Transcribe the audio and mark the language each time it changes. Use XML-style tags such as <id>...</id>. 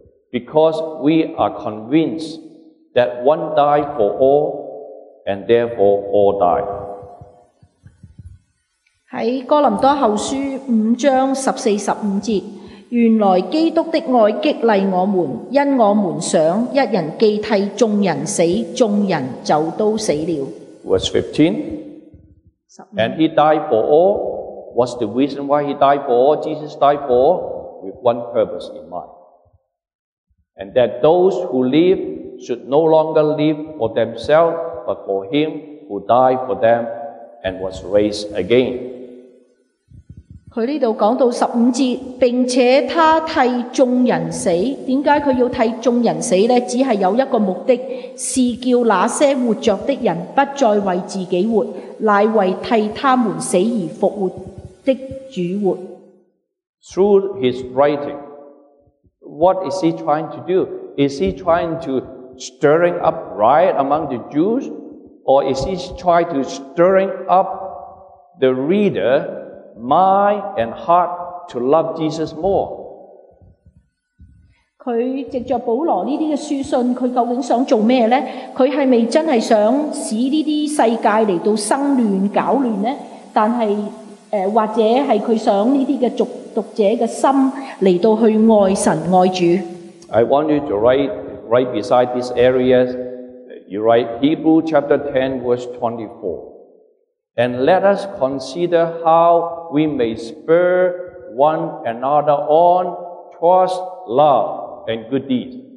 <en>Because we are convinced that one died for all, and therefore all died.</en> <zh>在哥林多后书五章十四十五节，原来基督的爱激励我们，因我们想一人既替众人死，众人就都死了。</zh> <en>Verse 15. And he died for all. What's the reason why he died for all? Jesus died for all with one purpose in mind. And that those who live should no longer live for themselves, but for him who died for them and was raised again.</en> <zh>他这里讲到十五节，并且他替众人死。为什么他要替众人死呢？只是有一个目的，是叫那些活着的人不再为自己活，乃为替他们死而复活的主活。</zh> <en>Through his writing, what is he trying to do? Is he trying to stirring up riot among the Jews? Or is he trying to stirring up the reader? Mind and heart to love Jesus more.</en> <zh>他藉着保罗这些书信，他究竟想做什么呢？他是不是真的想使这些世界来到生乱搅乱呢？但是或者是他想这些读者的心来到去爱神爱主。</zh> <en>I want you to write beside this area. You write Hebrews chapter 10 verse 24. And let us consider howWe may spur one another on towards love and good deeds.</en>